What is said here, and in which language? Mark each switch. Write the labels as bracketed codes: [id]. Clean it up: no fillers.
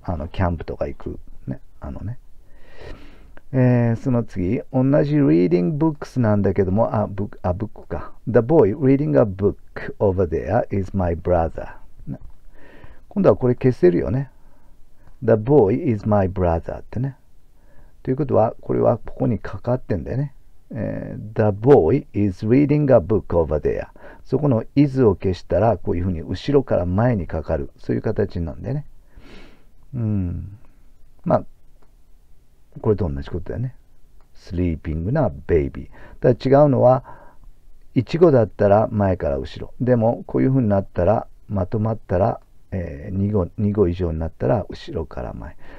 [ja] キャンプとか行く、ね、その次、同じ [en] reading books [ja] なんだけども、あ、ブック、あ、ブックか。 [en] The boy reading a book over there is my brother、ね。 [ja] 今度はこれ消せるよね。 [en] The boy is my brother ってね。 [ja] ということは、これはここにかかってんだよね。 [en] The boy is reading a book over there。 [ja] そこの is を消したら、こういうふうに後ろから前にかかる、そういう形なんだよね。まあ、これと同じことだよね。 sleeping な baby。ただ違うのは、いちごだったら前から後ろでも、こういうふうになったら、まとまったら、2語以上になったら後ろから前。